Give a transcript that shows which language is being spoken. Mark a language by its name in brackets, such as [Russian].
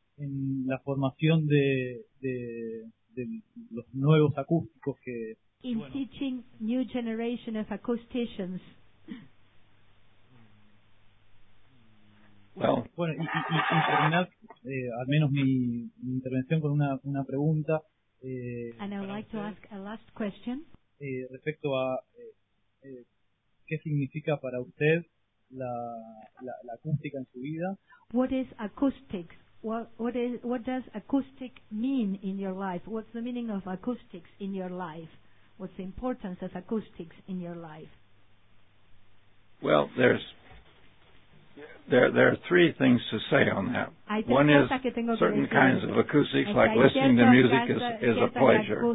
[Spanish] en la formación de los nuevos acústicos que [English] in teaching new generation of acousticians. Well, [Spanish] bueno, y terminar al menos mi intervención con una pregunta. [English] And I would like to ask a last question. [Spanish] Respecto a qué significa para usted la acústica en su vida. [English] What is acoustics? What does acoustic mean in your life? What's the meaning of acoustics in your life? What's the importance of acoustics in your life? Well, there are three things to say on that. One is certain kinds of acoustics, like listening to music, is a pleasure.